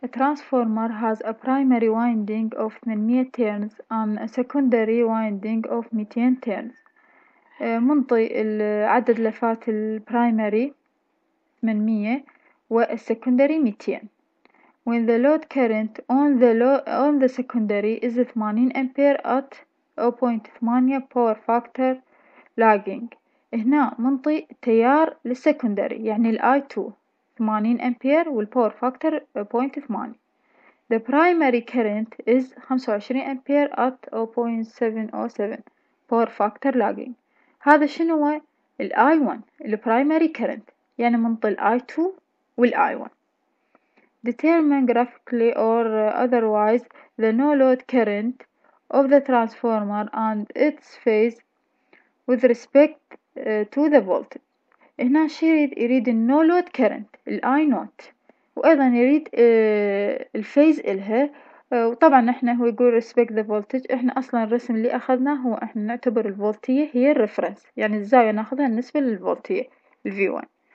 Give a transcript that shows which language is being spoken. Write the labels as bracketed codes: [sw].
[en] A transformer has a primary winding of 800 turns and a secondary winding of 200 turns. [ar] منطي عدد لفات ال primary 800 وال secondary 200. [en] When the load current on the secondary is 80 ampere at 0.8 power factor lagging. [ar] هنا منطي تيار للسكندري يعني الـ I2 80 أمبير والباور فاكتور 0.8. [en] The primary current is 25 ampere at 0.707 power factor lagging. [ar] هذا شنو الـ I1 الـ primary current، يعني منطي الـ I2 والـ I1. [en] Determine graphically or otherwise the no load current of the transformer and its phase with respect to the voltage. [ar] هنا شريد يريد النو لود كرنت الاي نوت، وايضا يريد الفيز الها، وطبعا احنا هو يقول [en] respect the voltage. [ar] احنا اصلا الرسم اللي اخذناه هو احنا نعتبر الفولتية هي الرفرنس، يعني الزاوية ناخذها بالنسبة للفولتية الفي 1.